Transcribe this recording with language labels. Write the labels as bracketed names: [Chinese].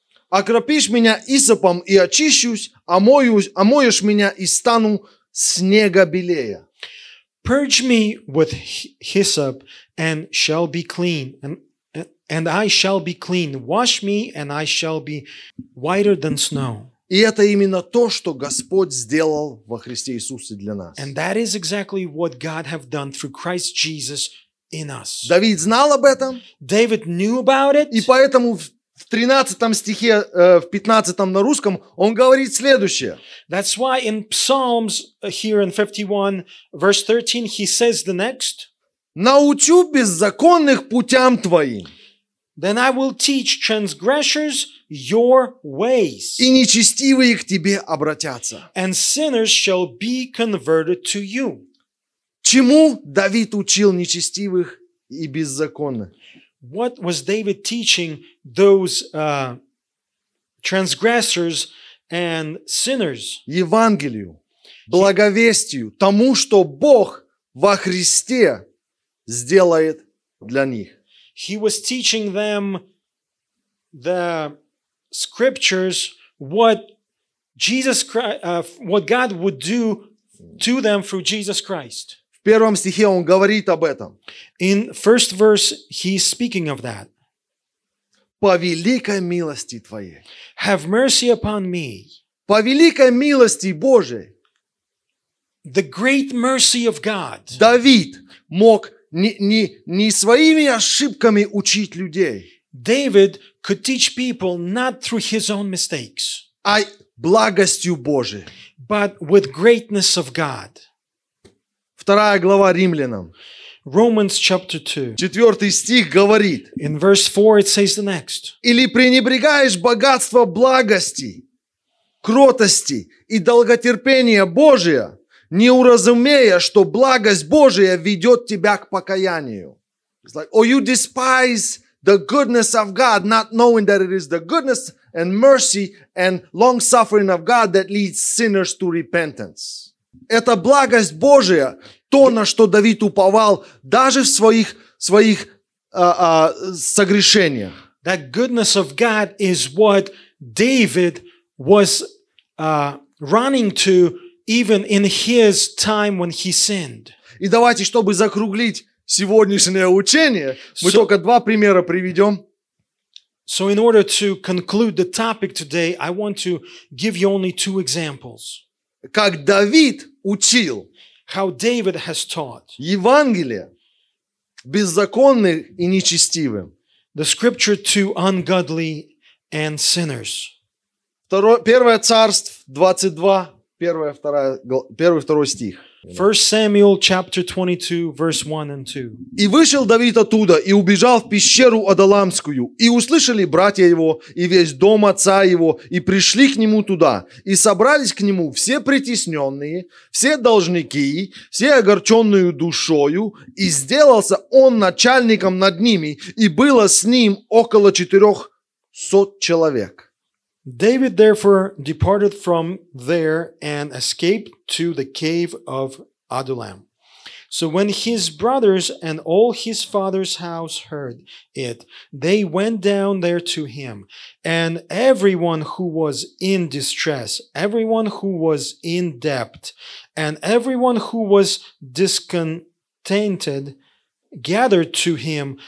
[Russian] Окропишь меня исопом и очищусь, омоешь меня и стану снега белее. [English] Purge me with hyssop and shall be clean and I shall be clean. Wash me and I shall be whiter than snow. [Russian] И это именно то, что Господь сделал во Христе Иисусе для нас. [English] And that is exactly what God have done through Christ Jesus. In us. [Russian] Давид знал об этом. [English] David knew about it. [Russian] И поэтому в в 13 стихе, в 15 на русском, он говорит следующее. [English] That's why in Psalms here in 51 verse 13 he says the next. [Russian] Научу беззаконных путям твоим. [English] Then I will teach transgressors your ways. [Russian] И нечестивые к тебе обратятся. [English] And sinners shall be converted to you. [Russian] Чему Давид учил нечестивых и беззаконных? [English] What was David teaching those transgressors and sinners? [Russian] Евангелию, благовестию, тому, что Бог во Христе сделает для них. [English] He was teaching them the scriptures, what Jesus Christ, what God would do to them through Jesus Christ. [Russian] В первом стихе он говорит об этом. [English] In first verse, he's speaking of that. [Russian] По великой милости твоей. [English] Have mercy upon me. [Russian] По великой милости Божией. [English] The great mercy of God. [Russian] Давид мог не своими ошибками учить людей. [English] David could teach people not through his own mistakes. [Russian] А благостью Божией. [English] But with greatness of God. [Russian] Вторая глава Римлянам. [English] Romans chapter 2. [Russian] Четвертый стих говорит. [English] In verse 4 it says the next. [Russian] Или пренебрегаешь богатство благости, кротости и долготерпения Божия, не уразумея, что благость Божия ведет тебя к покаянию. [English] It's like, or you despise the goodness of God, not knowing that it is the goodness and mercy and long-suffering of God that leads sinners to repentance. [Russian] Это благость Божия, то, на что Давид уповал даже в своих согрешениях. [English] That goodness of God is what David was running to even in his time when he sinned. [Russian] И давайте, чтобы закруглить сегодняшнее учение, мы только два примера приведем. [English] So in order to conclude the topic today, I want to give you only two examples. [Russian] Как Давид учил. [English] How David has taught. [Russian] Евангелие беззаконных и нечестивым. [English] The scripture to ungodly and sinners. [Russian] Первое царство 22, первый-второй стих. [English] 1 Samuel chapter 22, verse 1 and 2. [Russian] «И вышел Давид оттуда, и убежал в пещеру Адоламскую, и услышали братья его, и весь дом отца его, и пришли к нему туда, и собрались к нему все притесненные, все должники, все огорченные душою, и сделался он начальником над ними, и было с ним около 400 человек». [English] David therefore departed from there and escaped to the cave of Adullam. So when his brothers and all his father's house heard it, they went down there to him. And everyone who was in distress, everyone who was in debt, and everyone who was discontented gathered to him.